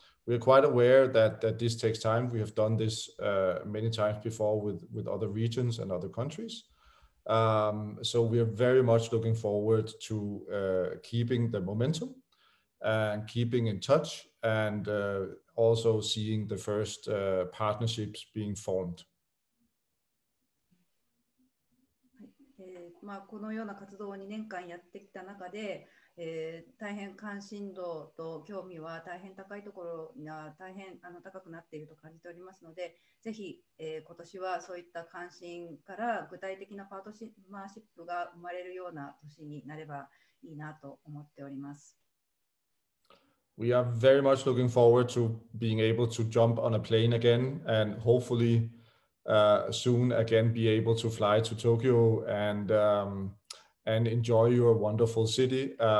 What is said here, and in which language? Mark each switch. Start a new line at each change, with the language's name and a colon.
English: We are quite aware that this takes time. We have done this many times before with other regions and other countries. So we are very much looking forward to keeping the momentum and keeping in touch and also seeing the first partnerships being formed.
Japanese: このような活動を2年間やってきた中で、大変関心度と興味は大変高いところが大変高くなっていると感じておりますので、ぜひ、今年はそういった関心から具体的なパートナーシップが生まれるような年になればいいなと思っております。
English: We are very much looking forward to being able to jump on a plane again and hopefully soon again be able to fly to Tokyo and enjoy your wonderful city.